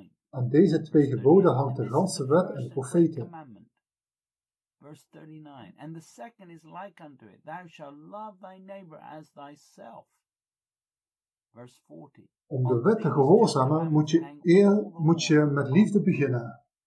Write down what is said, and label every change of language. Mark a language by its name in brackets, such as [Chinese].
[Dutch] Aan deze twee geboden hangt de ganse wet en de profeten. [English] Verse 39, and the second is like unto it, thou shalt love thy neighbor as thyself. Verse 40. [Dutch] Om de wet te gehoorzamen, moet je met liefde beginnen.